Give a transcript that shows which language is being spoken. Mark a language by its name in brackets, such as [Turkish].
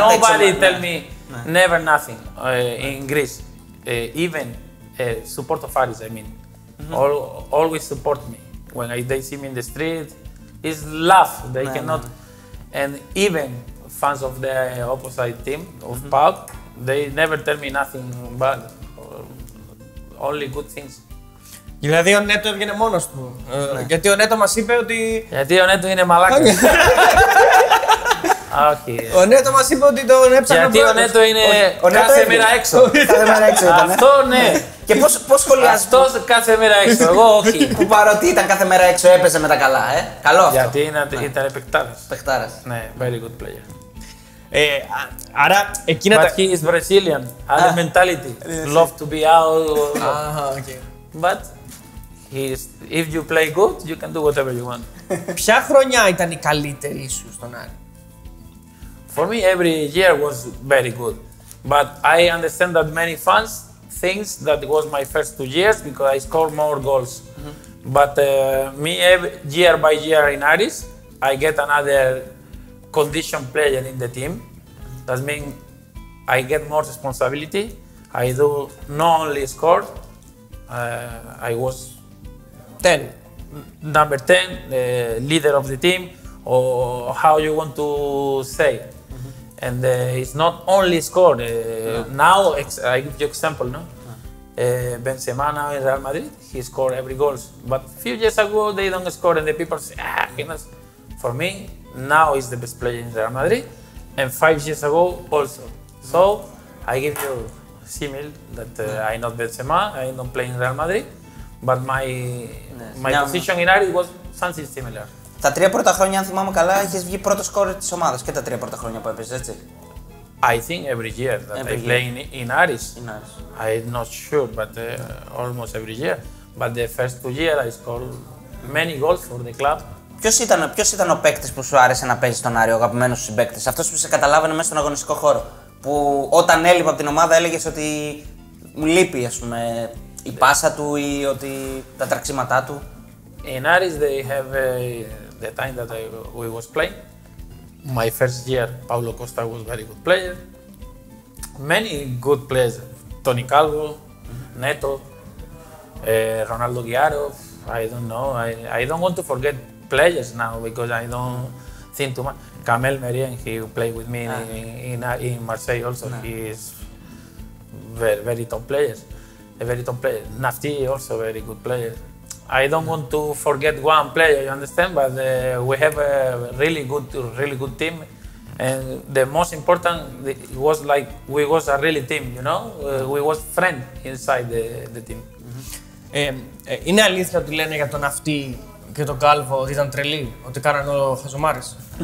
[English] Nobody tell me, never nothing in Greece, even support of Aris, I mean. Always support me. when they see me in the street, it's laugh. They cannot. And even fans of the opposite team of PAOK, they never tell me nothing bad, only good things. [Greek] Δηλαδή ο Νέτο έβγαινε μόνος του. Ναι. Γιατί ο Νέτο μας είπε ότι... Γιατί ο Νέτο είναι μαλάκας. Όχι. [English] Okay. [Greek] Ο Νέτο μας είπε ότι τον έψαχνε. Γιατί ο Νέτο είναι ο Νέτο κάθε μέρα έξω. Κάθε μέρα έξω ήταν. Αυτό ναι. Και πώς σχολιάζεις. Αυτός κάθε μέρα έξω. Εγώ όχι. Που παρότι ήταν κάθε μέρα έξω έπαιζε με τα καλά. Ε. Καλό αυτό. Γιατί είναι, ήταν παιχτάρας. Παιχτάρας. [English] Ναι, very good player. [Greek] Άρα εκείνα [English] τα... But he is Brazilian. Other mentality. Love to be out. But if you play good, you can do whatever you want. [Greek] Ποια χρονιά ήταν η καλύτερη σου στον Άρη? [English] For me, every year was very good. But I understand that many fans think that it was my first 2 years because I scored more goals. Mm-hmm. But me, every year by year in Aris, I get another condition player in the team. That means I get more responsibility. I do not only score. I was 10, number 10, leader of the team, or how you want to say. Mm-hmm. And it's not only score. Now, I give you example, no? Benzema now in Real Madrid, he scored every goals. But a few years ago, they don't score, and the people say, ah, goodness. For me, now he's the best player in Real Madrid, and 5 years ago also. Mm-hmm. So, I give you similar that I'm not Benzema, I don't play in Real Madrid. But my position in Aris was something similar. [Greek] Τα τρία πρώτα χρόνια, αν θυμάμαι καλά, είχες βγει πρώτο σκόρερ της ομάδας και τα τρία πρώτα χρόνια που έπαιζες, έτσι. [English] I think every year that every I play year. In Aris. In Aris. I'm not sure, but almost every year. But the first 2 years I scored many goals for the club. [Greek] Ποιος ήταν ο παίκτης που σου άρεσε να παίζει στον Άρη, ο αγαπημένος σου παίκτης, αυτός που σε καταλάβαινε μέσα στον αγωνιστικό χώρο, που όταν έλειπα από την ομάδα έλεγες ότι μου λείπει, ας πούμε, η πάσα του ή ότι τα τραξίματά του. [English] In Aris they have the time that we was playing. My first year, Paulo Costa was very good player. Many good players. Tony Calvo, Neto, Ronaldo Giarov. I don't know. I don't want to forget players now because I don't think too much. Camel Merien, he played with me in Marseille also. No. He is very, very top player. A very top player. Nafti also a very good player. I don't want to forget one player, you understand? But we have a really good team. And the most important, it was like we was a really team, you know? We was friends inside the team. [Greek] Είναι αλήθεια ότι λένε για τον Ναυτί και τον Κάλβο ότι ήταν τρελοί, ότι κάνανε ο Χαζομάρης?